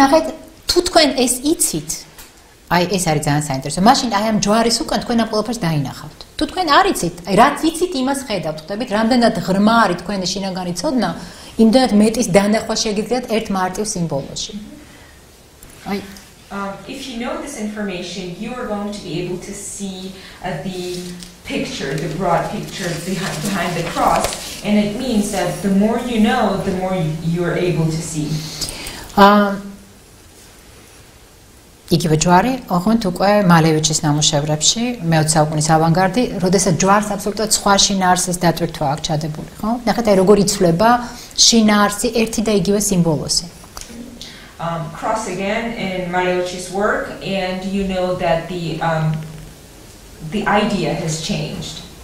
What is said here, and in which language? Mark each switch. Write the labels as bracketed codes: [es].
[ka] აღეთ თუ თქვენ ეს იცით, აი ეს არის ძალიან საინტერესო. მაშინ აი ამ ჯვარის უკან თქვენ ამ ყველაფერს დაინახავთ. თუ თქვენ არ იცით, აი რაც იცით იმას ხედავთ, ხდებით, რამდენად ღრმა არის თქვენი შინაგანი ცოდნა, იმდენად მეტის დანახვა შეგიძლიათ ერთ მარტივ სიმბოლოში. [en] აი if you know this information, you are going to be able to see the picture, the broad picture behind the cross, and it means that the more you know, the more you are able to see. [ka] იგივე ჯვარი, ოღონდ უკვე მალევიჩის ნამუშევრებში, მე-20 საუკუნის ავანგარდი, როდესაც ჯვარს აბსოლუტურად სხვა შინაარსის დატვირთვა აქვს ჩადებული, ხო? ნახეთ, აი როგორ იცვლება შინაარსი ერთი და იგივე სიმბოლოზე. [en] Cross again in Malevich's work, and you know that the idea has changed.